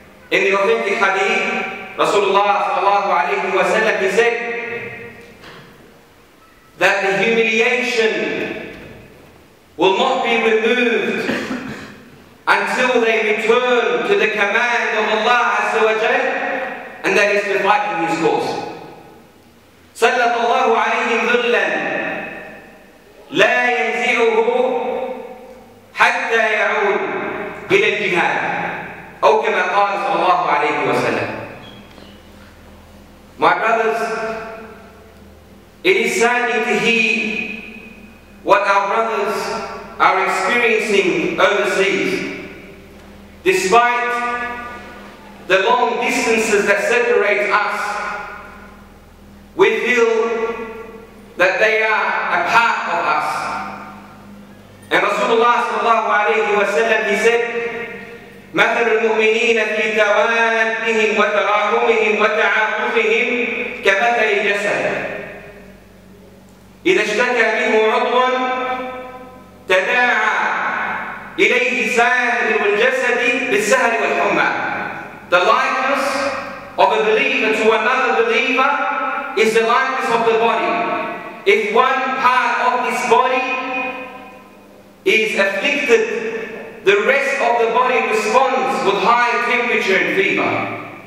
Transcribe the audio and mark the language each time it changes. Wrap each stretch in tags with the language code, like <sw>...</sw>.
<en>In the authentic hadith, Rasulullah sallallahu alayhi wa sallam, he said that the humiliation will not be removed until they return to the command of Allah Azza wa Jal, and that is to fight in his cause.</en> <ar>Sallallahu alayhi wa sallam, لا ينزعه حتى يعود إلى الجهاد. أو كما قال صلى الله عليه وسلم.</ar> <en>My brothers, it is saddening to hear what our brothers are experiencing overseas. Despite the long distances that separate us, we feel that they are a part of us. And Rasulullah sallallahu alayhi wa sallam, he said,</en> <ar>مثل المؤمنين في توادهم وتراحمهم وتعاطفهم كمثل الجسد إذا اشتكى منه عضو تداعى إليه سائر الجسد بالسهر والحمى.</ar> <en>The likeness of a believer to another believer is the likeness of the body. If one part of this body is afflicted, the rest of the body responds with high temperature and fever.</en>